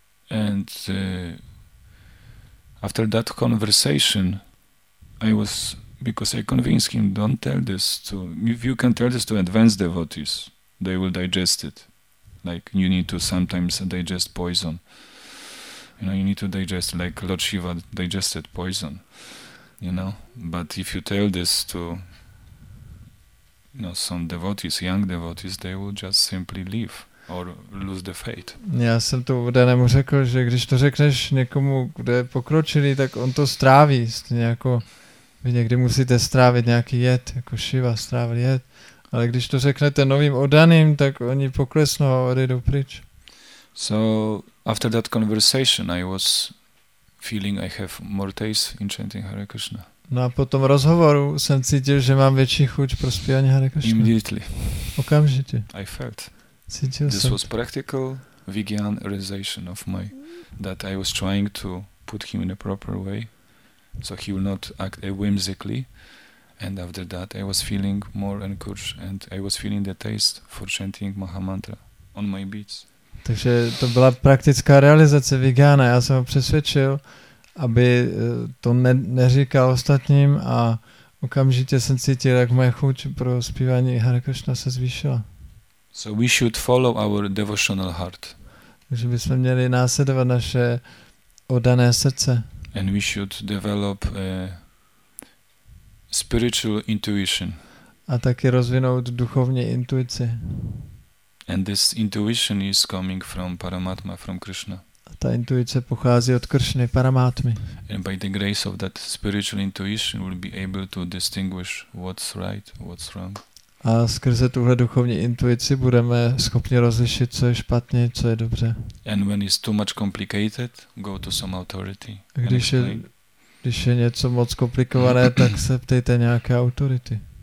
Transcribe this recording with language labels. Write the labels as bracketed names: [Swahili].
[English] And after that conversation, I was, because I convinced him, don't tell this to, if you can tell this to advanced devotees, they will digest it. Like, you need to sometimes digest poison. You know, you need to digest, like Lord Shiva digested poison. You know? But if you tell this to, no, some devotees, young devotees, they will just simply leave or lose the faith. [Czech] Já jsem to oddanému řekl, že když to řekneš někomu, kde pokročili, tak on to stráví. Vy někdy musíte strávit nějaký jed, jako Shiva strávil jed, ale když to řeknete novým oddaným, tak oni poklesnou a odejdou pryč. [English] So, after that conversation, I was feeling I have more taste in chanting Hare Krishna. [Czech] No a po tom rozhovoru jsem cítil, že mám větší chuť pro zpívání Hare Krishna. [English] Immediately. [Czech] Okamžitě. [English] I felt. [Czech] Cítil [English] this [Czech] jsem. [English] This was practical vigyan realization of my, that I was trying to put him in a proper way, so he will not act whimsically. And after that I was feeling more encouraged and I was feeling the taste for chanting Maha Mantra on my beats. [Czech] Takže to byla praktická realizace vigyana. Já jsem ho přesvědčil, aby to neříkal ostatním a okamžitě jsem cítil, jak moje chuť pro zpívání Hare Krishna se zvýšila. [English] So we should follow our devotional heart. [Czech] Takže bychom měli následovat naše oddané srdce. [English] And we should develop a spiritual intuition. [Czech] A taky rozvinout duchovní intuici. [English] And this intuition is coming from Paramatma, from Krishna. [Czech] Ta intuice pochází od Kršny, Paramatmy. [English] And by the grace of that spiritual intuition we'll be able to distinguish what's right, what's wrong. [Czech] A skrze tuhle duchovní intuici budeme schopni rozlišit, co je špatně, co je dobře. [English] And when it's too much complicated, go to some authority. [Czech] Když je něco moc komplikované, tak se ptejte nějaké autority.